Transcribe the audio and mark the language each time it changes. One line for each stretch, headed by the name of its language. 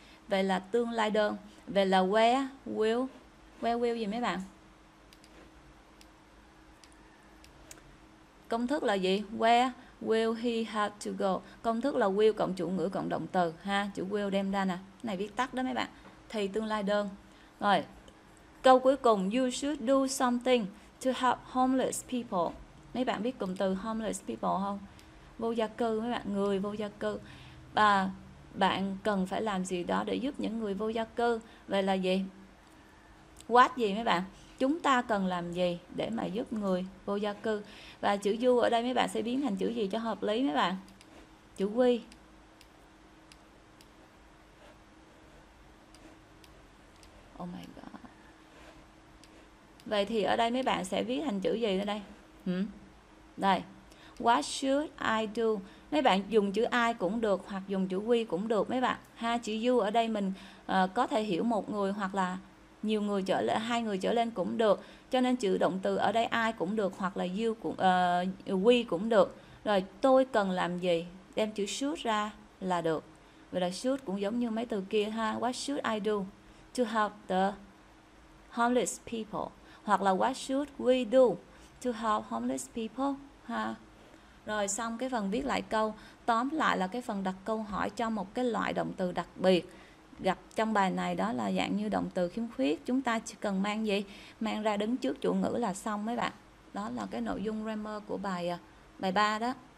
Vietnamese: Vậy là tương lai đơn. Vậy là
English: where will
Vietnamese: gì mấy bạn? Công thức là gì?
English: Where will he have to go?
Vietnamese: Công thức là will cộng chủ ngữ cộng động từ ha, chữ will đem ra nè. Cái này viết tắt đó mấy bạn. Thì tương lai đơn. Rồi. Câu cuối cùng,
English: you should do something to help homeless people.
Vietnamese: Mấy bạn biết cụm từ homeless people không? Vô gia cư mấy bạn, người vô gia cư. bạn cần phải làm gì đó để giúp những người vô gia cư. Vậy là gì? What gì mấy bạn? Chúng ta cần làm gì để mà giúp người vô gia cư? Và chữ du ở đây mấy bạn sẽ biến thành chữ gì cho hợp lý mấy bạn? Chữ quy.
English: Oh my God.
Vietnamese: Vậy thì ở đây mấy bạn sẽ viết thành chữ gì ở đây? Đây.
English: What should I do?
Vietnamese: Mấy bạn dùng chữ I cũng được hoặc dùng chữ we cũng được mấy bạn. Ha, chữ you ở đây mình có thể hiểu một người hoặc là nhiều người trở lên, hai người trở lên cũng được. Cho nên chữ động từ ở đây I cũng được hoặc là you cũng we cũng được. Rồi, tôi cần làm gì? Đem chữ should ra là được. Vậy là should cũng giống như mấy từ kia ha.
English: What should I do to help the homeless people? Hoặc là what should we do to help homeless people? Ha.
Vietnamese: Rồi xong cái phần viết lại câu. Tóm lại là cái phần đặt câu hỏi cho một cái loại động từ đặc biệt gặp trong bài này, đó là dạng như động từ khiếm khuyết. Chúng ta chỉ cần mang gì? Mang ra đứng trước chủ ngữ là xong mấy bạn. Đó là cái nội dung grammar của bài bài 3 đó.